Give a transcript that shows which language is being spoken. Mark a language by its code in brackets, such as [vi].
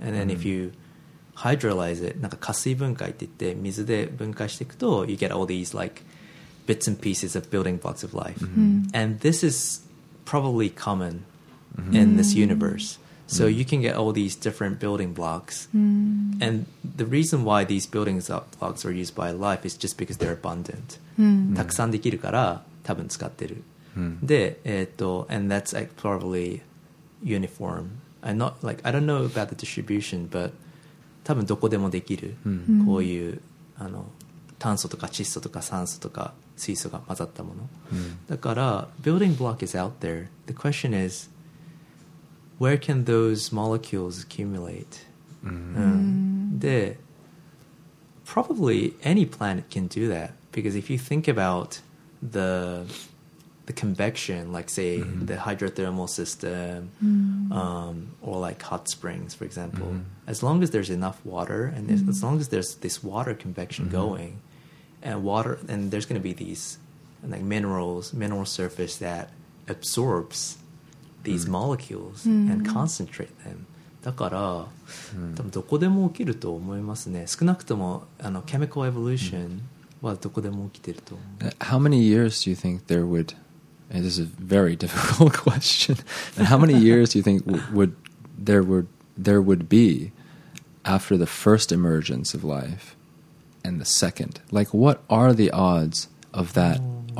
[en] And then、mm-hmm. if you hydrolyze it, [ja] なんか加水分解って言って水で分解していくと [en] you get all these like bits and pieces of building blocks of life.、 Mm-hmm. And this is probably commonin this universe、mm. so you can get all these different building blocks、 mm. and the reason why these building blocks are used by life is just because they're abundant、 mm. [ja] たくさんできるから多分使ってる、 mm. [en] で、and that's like probably uniform I'm not like I don't know about the distribution but [ja] 多分どこでもできる、 mm. こういうあの炭素とか窒素とか酸素とか水素が混ざったもの、 mm. [en] だから building block is out there the question isWhere can those molecules accumulate? Mm-hmm. Mm. Probably any planet can do that. Because if you think about the convection, like say mm-hmm. the hydrothermal system mm-hmm. Or like hot springs, for example, mm-hmm. as long as there's enough water and mm-hmm. as long as there's this water convection mm-hmm. going and water, and there's going to be these like mineral surface that absorbsthese molecules、 mm. and concentrate them. だから、mm. [ja] 多分どこでも起きると思いますね。少なくともあの chemical evolution、mm. はどこでも起きてると思う。 [en] How many years do you think there would? This is a very difficult question. How many years do you think would there be after the first emergence of life and the second? Like, what are the odds of that、oh.